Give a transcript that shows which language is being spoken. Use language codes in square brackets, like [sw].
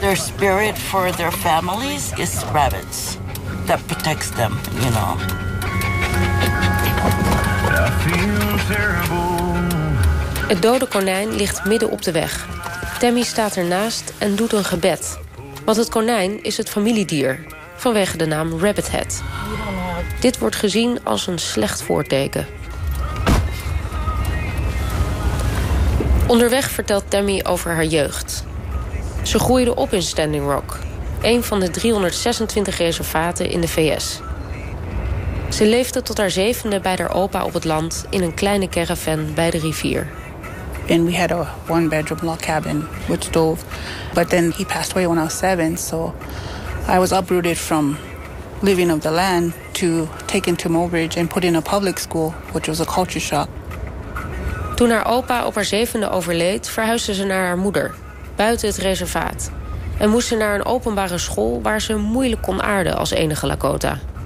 [en] Their spirit for their families is rabbits that protects them, you know. I feel terrible. [nl] Het dode konijn ligt midden op de weg. Tammy staat ernaast en doet een gebed. Want het konijn is het familiedier, vanwege de naam Rabbit Head. Dit wordt gezien als een slecht voorteken. Onderweg vertelt Tammy over haar jeugd. Ze groeide op in Standing Rock, een van de 326 reservaten in de VS. Ze leefde tot haar zevende bij haar opa op het land in een kleine caravan bij de rivier. [en] And we had a one-bedroom log cabin with stove, but then he passed away when I was seven, so I was uprooted from living of the land to taken to Mobridge and put in a public school, which was a culture shock. [nl] Toen haar opa op haar zevende overleed, verhuisde ze naar haar moeder, buiten het reservaat, en moest ze naar een openbare school waar ze moeilijk kon aarden als enige Lakota.